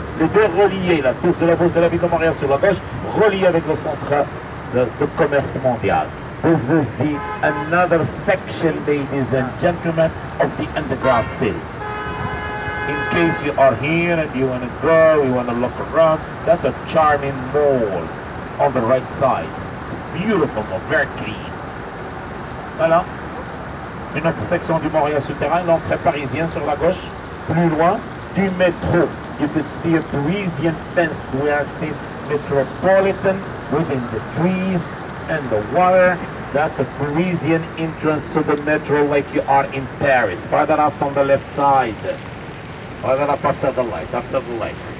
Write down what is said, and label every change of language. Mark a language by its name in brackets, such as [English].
[French] Les deux reliés, la tour de la Bourse de la Ville de Montréal sur la gauche, reliés avec le Centre de Commerce Mondial. [English] This is the another section, ladies and gentlemen, of the underground city. In case you are here and you want to go, you want to look around, that's a charming mall on the right side. Beautiful, but very clean. Voilà. [French] Une autre section du Montréal souterrain, l'entrée parisienne sur la gauche, plus loin, du métro. [English] You could see a Parisian fence. We are seeing Metropolitan within the trees and the water. That's a Parisian entrance to the metro like you are in Paris. Farther up on the left side. Farther up after the light, after the light.